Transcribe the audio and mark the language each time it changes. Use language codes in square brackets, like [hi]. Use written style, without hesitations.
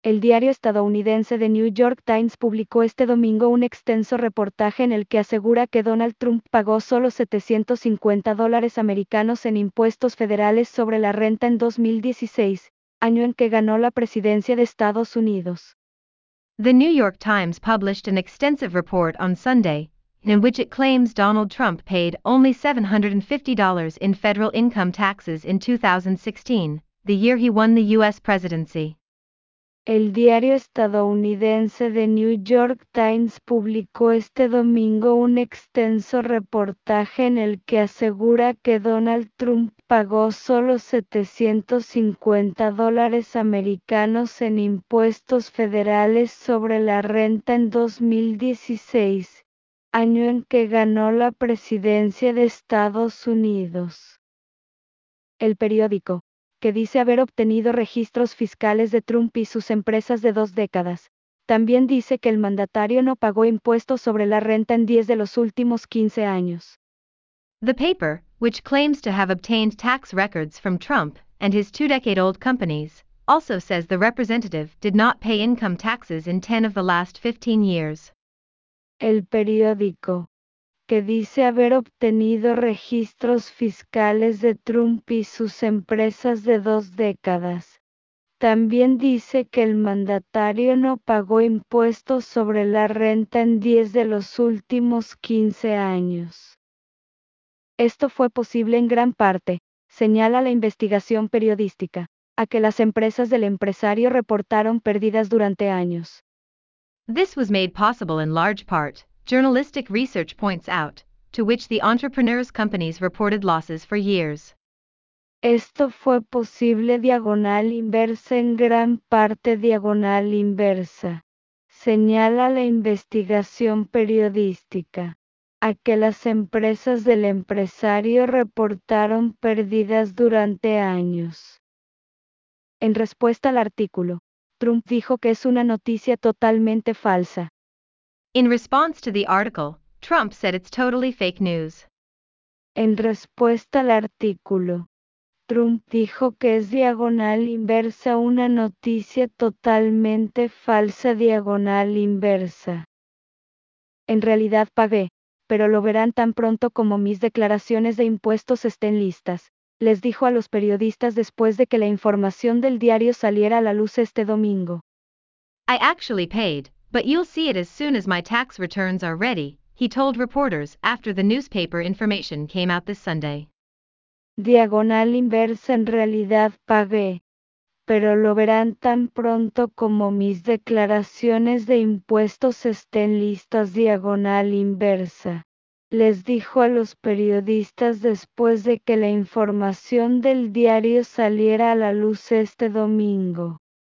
[es] El diario estadounidense The New York Times publicó este domingo un extenso reportaje en el que asegura que Donald Trump pagó solo $750 americanos en impuestos federales sobre la renta en 2016, año en que ganó la presidencia de Estados Unidos. [en] The New York Times published an extensive report on Sunday, in which it claims Donald Trump paid only $750 in federal income taxes in 2016, the year he won the U.S. presidency. [es] El diario estadounidense The New York Times publicó este domingo un extenso reportaje en el que asegura que Donald Trump pagó solo $750 americanos en impuestos federales sobre la renta en 2016, año en que ganó la presidencia de Estados Unidos. El periódico, que dice haber obtenido registros fiscales de Trump y sus empresas de 2 décadas, también dice que el mandatario no pagó impuestos sobre la renta en 10 de los últimos 15 años. [en] The paper, which claims to have obtained tax records from Trump and his 2-decade-old companies, also says the representative did not pay income taxes in 10 of the last 15 years. [es] El periódico, que dice haber obtenido registros fiscales de Trump y sus empresas de 2 décadas, también dice que el mandatario no pagó impuestos sobre la renta en 10 de los últimos 15 años. Esto fue posible en gran parte, señala la investigación periodística, a que las empresas del empresario reportaron pérdidas durante años. [en] This was made possible in large part, journalistic research points out, to which the entrepreneur's companies reported losses for years. [es] Esto fue posible diagonal inversa en gran parte diagonal inversa, señala la investigación periodística, a que las empresas del empresario reportaron pérdidas durante años. En respuesta al artículo, Trump dijo que es una noticia totalmente falsa. [en] In response to the article, Trump said it's totally fake news. [es] En respuesta al artículo, Trump dijo que es diagonal inversa una noticia totalmente falsa diagonal inversa. En realidad pagué, pero lo verán tan pronto como mis declaraciones de impuestos estén listas, les dijo a los periodistas después de que la información del diario saliera a la luz este domingo. [en] I actually paid. But you'll see it as soon as my tax returns are ready, he told reporters after the newspaper information came out this Sunday. [es] Diagonal inversa en realidad pagué, pero lo verán tan pronto como mis declaraciones de impuestos estén listas diagonal inversa, les dijo a los periodistas después de que la información del diario saliera a la luz este domingo.